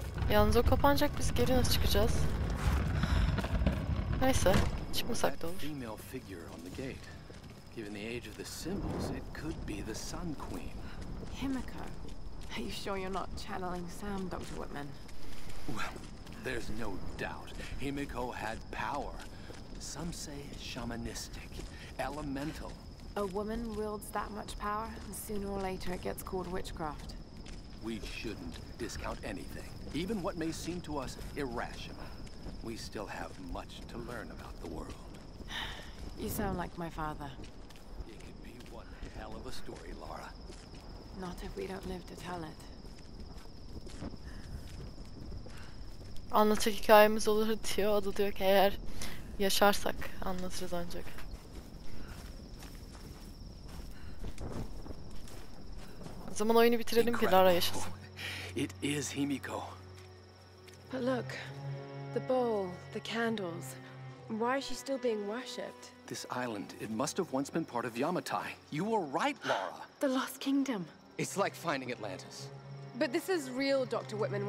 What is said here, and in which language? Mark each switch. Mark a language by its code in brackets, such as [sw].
[tr] Yalnız o kapanacak, biz geri nasıl çıkacağız? Neyse, çıkmasak da olur. [en] That female figure on the gate. Given the age of the symbols, it could be the Sun Queen. Himiko, are you sure you're not channeling Sam, Dr. Whitman? Well, there's no doubt. Himiko had power. Some say shamanistic, elemental. A woman wields that much power, and sooner or later it gets called witchcraft. We shouldn't discount anything, even what may seem to us irrational. We still have much to learn about the world. You sound like my father. It could be one hell of a story, Lara. Not if we don't live to tell it. [tr] Anlatacak hikayemiz olur diyor. O da diyor ki eğer yaşarsak anlatırız ancak. O zaman oyunu bitirelim ki Lara yaşasın. [en] It is Himiko. But look, the bowl, the candles. Why is she still being worshipped? This island, it must have once been part of Yamatai. You were right, Lara. The Lost Kingdom. It's like finding Atlantis. But this is real, Dr. Whitman.